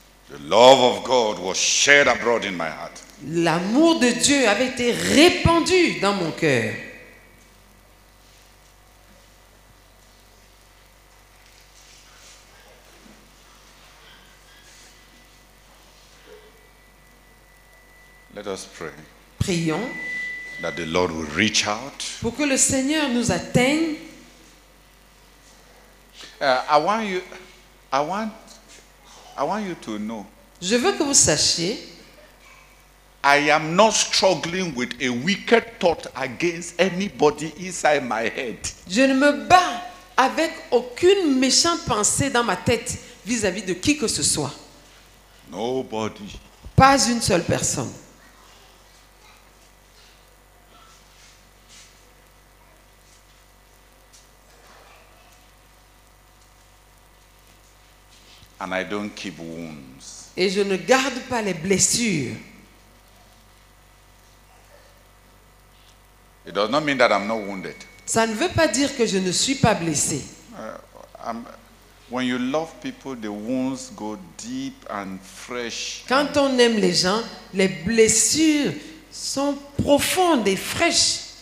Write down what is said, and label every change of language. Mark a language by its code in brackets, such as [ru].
[en] The love of God was shared abroad in my heart. [fr] L'amour de Dieu avait été répandu dans mon cœur. [en] Let us pray. [fr] Prions. [en] That the Lord will reach out. [fr] Pour que le Seigneur nous atteigne. [en] I want you to know. [fr] Je veux que vous sachiez. [en] I am not struggling with a wicked thought against anybody inside my head. [fr] Je ne me bats avec aucune méchante pensée dans ma tête vis-à-vis de qui que ce soit. [en] Nobody. [fr] Pas une seule personne. [en] And I don't keep wounds. [fr] Et je ne garde pas les blessures. [en] It does not mean that I'm not wounded. [fr] Ça ne veut pas dire que je ne suis pas blessé. [en] When you love people, the wounds go deep and fresh. [fr] Quand on aime les gens, les blessures sont profondes et fraîches.